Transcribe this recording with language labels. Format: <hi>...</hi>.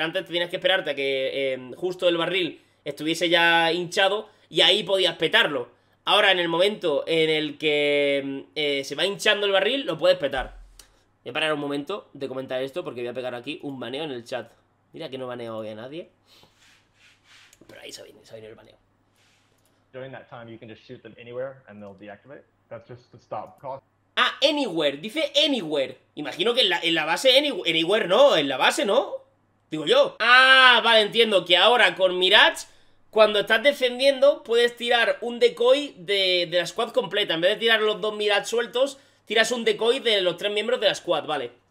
<es>Antes tenías que esperarte a que justo el barril estuviese ya hinchado y ahí podías petarlo. Ahora, en el momento en el que se va hinchando el barril, lo puedes petar. Voy a parar un momento de comentar esto porque voy a pegar aquí un baneo en el chat. Mira que no baneo hoy a nadie. Pero ahí se viene el baneo.</es> <en>During that time, you can just shoot them anywhere and they'll deactivate. That's just to stop.</en> <es>Ah, anywhere, dice anywhere. Imagino que en la base anywhere no, en la base no. Digo yo. Ah, vale, entiendo que ahora con Mirage, Cuando estás defendiendo, puedes tirar un decoy de la squad completa. En vez de tirar los dos mirad sueltos, tiras un decoy de los tres miembros de la squad, vale.</es>